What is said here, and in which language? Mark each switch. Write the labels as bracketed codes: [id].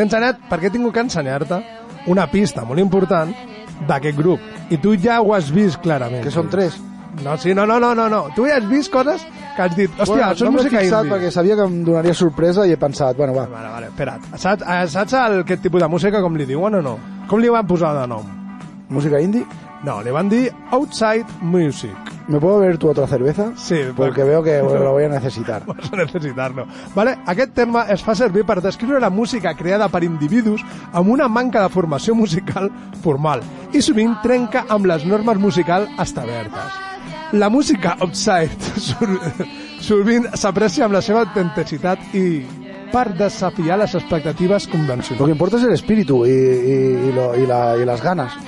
[ca] T'he ensenyat perquè he tingut que ensenyar-te una pista molt important d'aquest grup. I tu ja ho has vist clarament. Que són tres. No. Tu ja has vist coses que has dit... Hòstia, això és música indie. No m'he fixat perquè sabia que em donaria sorpresa i he pensat... Bueno, va. Vale, espera't. Saps aquest tipus de música, com li diuen o no? Com li van posar de nom? Música indie? No, li van dir outside music. [es] ¿Me puedo beber tu otra cerveza? Sí. Porque veo que lo voy a necesitar. Vas a necesitarlo. [ca] Vale, aquest terme es fa servir per descriure la música creada per individus amb una manca de formació musical formal i sovint trenca amb les normes musicals establertes. La música outside sovint s'aprecia amb la seva autenticitat i... per desafiar les expectatives convencionals. [es] Lo que importa es el espíritu y las ganas.